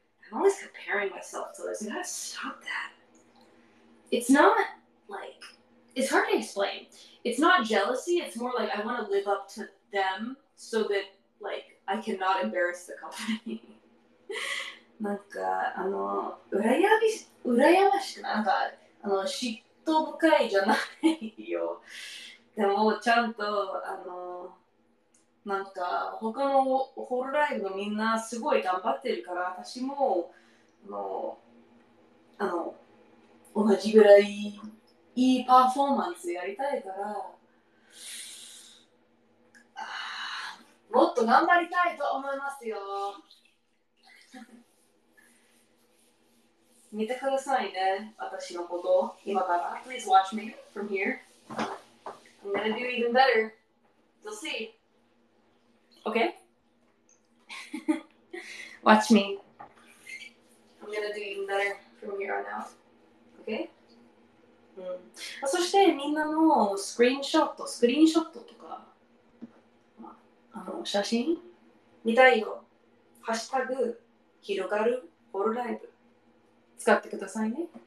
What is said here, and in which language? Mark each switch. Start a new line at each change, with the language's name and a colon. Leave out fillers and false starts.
English: I'm always comparing myself to this. You gotta stop that. It's not like, it's hard to explain. It's not jealousy. It's more like I want to live up to them so that like I cannot embarrass the company.
Japanese: なんかあの羨ましくなんかあの嫉妬深いじゃないよ。でもちゃんとあのなんか他のホロライブのみんなすごい頑張ってるから私もあの同じぐらいいいパフォーマンスやりたいからもっと頑張りたいと思いますよ。見てくださいね、私のこと、今から。
English: Please watch me from here. I'm gonna do even better. You'll see. Okay? Watch me. I'm gonna do even better from here on out. Okay?
Japanese: うん、そしてみんなのスクリーンショットとか、あの写真見たいよ。ハッシュタグ、広がるホロライブ。使ってくださいね。